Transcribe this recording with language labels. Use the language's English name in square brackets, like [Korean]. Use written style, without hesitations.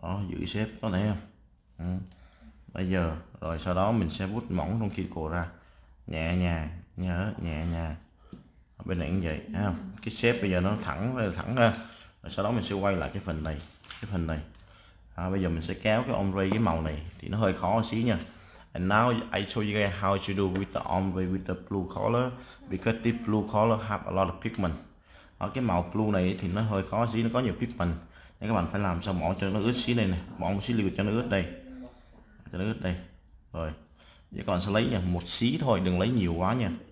[Vietnamese] Giữ xếp có thấy không? Bây giờ rồi sau đó mình sẽ vuốt mỏng trong khi cổ ra, nhẹ nhàng nhớ, nhẹ nhàng. Bên này cũng vậy thấy không? Cái xếp bây giờ nó thẳng thẳng ra. Rồi sau đó mình sẽ quay lại cái phần này, cái phần này. Bây giờ mình sẽ kéo cái ombre cái màu này thì nó hơi khó một xí nha. [English] And now I show you guys how to do with the ombre with the blue color, because this blue color have a lot of pigment. [Vietnamese] Cái màu blue này thì nó hơi khó xí, nó có nhiều pigment. Nên các bạn phải làm sao bỏ cho nó ướt xí này nè, bỏ một xí liều cho nó ướt đây. Cho nó ướt đây. Rồi. Vậy các bạn sẽ lấy nha, một xí thôi, đừng lấy nhiều quá nha.